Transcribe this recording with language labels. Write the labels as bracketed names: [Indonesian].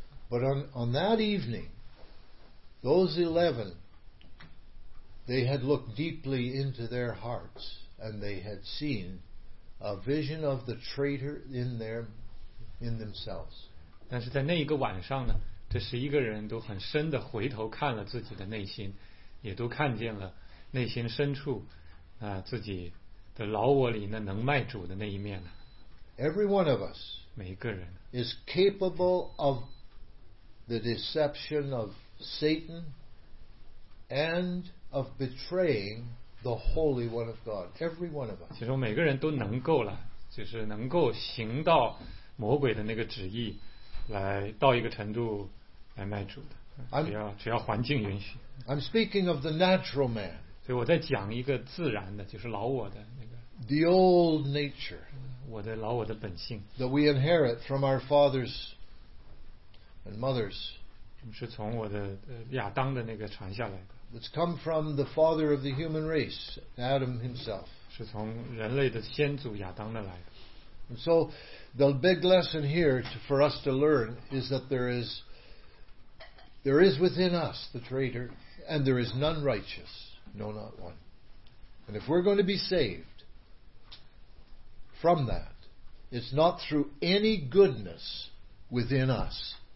[English] But on that evening, those 11, they had looked deeply into their hearts and they had seen a vision of the traitor in themselves. [Chinese] 但是在那一个晚上呢，这十一个人都很深的回头看了自己的内心，也都看见了内心深处自己的老我里那能卖主的那一面呢。 [English] Every one of us, [Chinese] 每一个人 [English] is capable of the deception of Satan and of betraying the Holy One of God. Every one of us. [Chinese] 其实每个人都能够了，就是能够行到魔鬼的那个旨意，来到一个程度来卖主的。只要环境允许。 [English] I'm speaking of the natural man. [Chinese] 所以我在讲一个自然的，就是老我的那个。 [English] The old nature. [Chinese] 我的老我的本性。 [English] That we inherit from our fathers. And mothers, [Chinese] 是从我的亚当的那个传下来的。 [English] It's come from the father of the human race, Adam himself. [Chinese] 是从人类的先祖亚当那来的。 [English] And so, the big lesson here for us to learn is that there is within us the traitor, and there is none righteous, no, not one. And if we're going to be saved from that, it's not through any goodness within us.